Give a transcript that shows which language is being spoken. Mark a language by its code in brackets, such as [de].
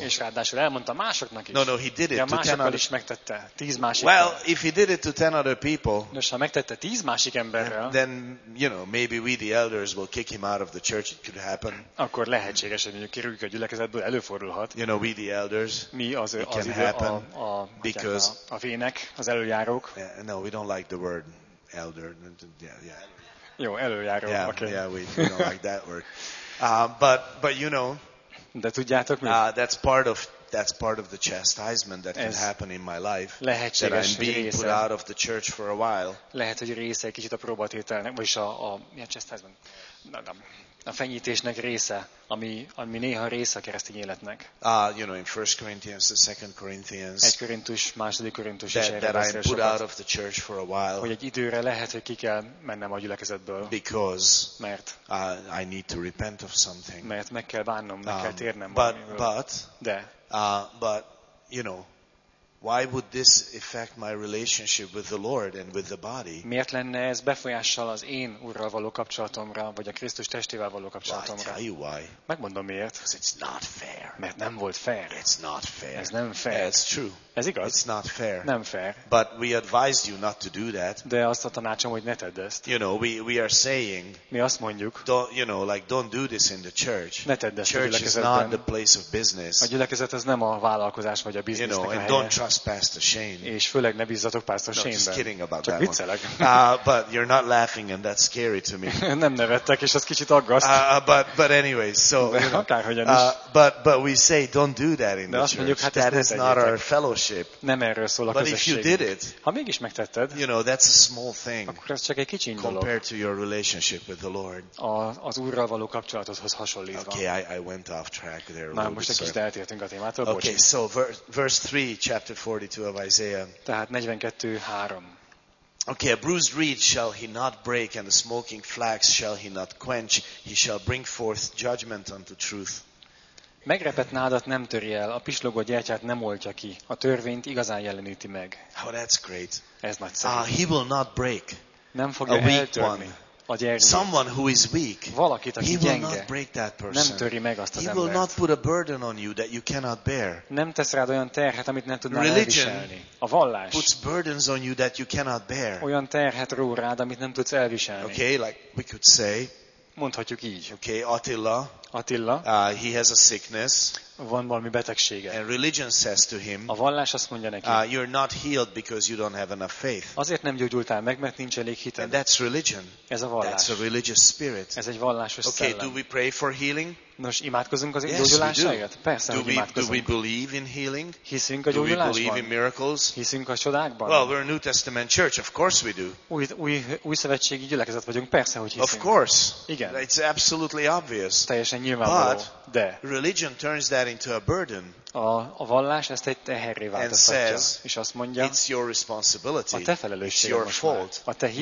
[hu] És ráadásul elmondta másoknak is. [en] No, he did it to 10 other. [hu] De másokkal is megtette. 10 másik. [en] Well, if he did it to 10 other people. [hu] Nos, ha megtette 10 másik emberrel. [en] Then, you know, maybe we the elders will kick him out of the church. It could happen. [hu] Akkor lehetséges, hogy kirúgjuk a gyülekezetből, előfordulhat. [en] You know, we the elders. [hu] Mi az [en] it can happen [hu] a vének, az előjárók. [en] No, we don't like the word elder. Yeah. [hu] Jó, előjáró. [en] Yeah, okay. Yeah, we don't like that word. But you know, [hu] de tudjátok mi? [en] That's part of the chastisement that can happen in my life. [hu] Lehetséges, [en] that I'm being [hu] része, [en] put out of the church for a while. [hu] Lehet, hogy része egy kicsit a próbatételnek, vagyis a chastisement. A fenyítésnek része, ami néha része a keresztény életnek. [en] You know, in 1 Corinthians, the 2 Corinthians. [hu] 1 Korintus, 2 Korintus is erre beszél sokat. [en] That I'm put out of the church for a while. [hu] Hogy egy időre lehet, hogy ki kell mennem a gyülekezetből. [en] Because. [hu] Mert. [en] I need to repent of something. [hu] Mert meg kell bánnom, meg kell térnem valamiről. [en] But. [hu] De. [en] But, you know. Why would this affect my relationship with the Lord and with the body? [hu] Miért lenne ez befolyással az én Úrral való kapcsolatomra, vagy a Krisztus testével való kapcsolatomra? [en] Well, I tell you why. [hu] Megmondom miért. [en] Because it's not fair. [hu] Mert nem volt fair. [en] It's not fair. [hu] Ez nem fair. [en] Yeah, it's true. [hu] Ez igaz. [en] It's not fair. [hu] Nem fair. [en] But we advised you not to do that. [hu] De azt a tanácsom, hogy ne tedd ezt. [en] You know, we are saying. [hu] Mi azt mondjuk. [en] Don't, you know, like don't do this in the church. [hu] Ne tedd ezt [en] church [hu] a gyülekezetben. [en] Church is not the place of business. [hu] A gyülekezet az nem a vállalkozás vagy a biznisznek [en] you know, [hu] a helye. [en] And don't trust Pastor Shane. [hu] És főleg ne bízzatok Pastor Shane-ben. [en] No, just kidding about [hu] csak [en] that [hu] viccelek. [en] One. But you're not laughing and that's scary to me. [hu] Nem nevettek, és az kicsit aggaszt. [en] But anyway, so. [hu] De [en] you know, [hu] akárhogyan is. [en] But we say don't do that in [hu] de [en] the church. [hu] Mondjuk, hát [en] that is not our fellowship. [hu] Nem erről szól a [en] but if you did it, [hu] ha mégis megtetted, [en] you know, that's a small thing [hu] akkor ez csak egy kicsi dolog [en] compared to your relationship with the Lord. [hu] Az Úrral való kapcsolatodhoz hasonlítva. [en] Okay, I went off track there. [hu] Na, most egy kicsit eltértünk a témától. [en] Okay, so verse 3, chapter 42 of Isaiah. [hu] Tehát 42:3. [en] Okay, a bruised reed shall he not break, and a smoking flax shall he not quench. He shall bring forth judgment unto truth. [hu] Megrepett nádat nem töri el, a pislogó gyertyát nem oltja ki, a törvényt igazán jeleníti meg. [en] Oh, that's great. [hu] Ez nagy szerint. [en] He will not break. [hu] Nem fogja eltörni a gyertyát. [en] Someone who is weak. [hu] Valakit, aki [en] he [hu] gyenge. [en] Will not break that person. [hu] Nem töri meg azt az embert. [en] He will not put a burden on you that you cannot bear. [hu] Nem tesz rád olyan terhet, amit nem tudnál [en] religion [hu] elviselni. A vallás. [en] Puts burdens on you that you cannot bear. [hu] Olyan terhet ró rád, amit nem tudsz elviselni. [en] Okay, like we could say. [hu] Mondhatjuk így. [en] Okay, Attila. [hu] Attila. [en] He has a sickness. [hu] van valami betegsége. [en] And religion says to him, [hu] a vallás azt mondja neki, [en] you're not healed because you don't have enough faith. [hu] Azért nem gyógyultál meg, mert nincs elég hited. [en] And that's religion. [hu] Ez a vallás. [en] That's a religious spirit. [hu] Ez egy vallásos szellem. [en] Okay, do we pray for healing? [hu] Nos, imádkozunk az gyógyulásáért? Persze, hogy imádkozunk. [en] Do we believe in healing? [hu] Hiszünk a gyógyulásban? [en] Do we believe in miracles? [hu] Hiszünk a csodákban? [en] Well, we're a New Testament church, of course we do. [hu] Új szövetségi gyülekezet vagyunk, persze, hogy hiszünk. [en] Of course. [hu] Igen. [en] It's absolutely obvious. [hu] Teljesen nyilvánvaló. [en] But [hu] de [en] religion turns that into a burden. [hu] A vallás ezt egy teherré változtatja, és azt mondja, [en] it's your responsibility. [hu] A te felelősséged, [en] it's your fault. [hu] A te hibád.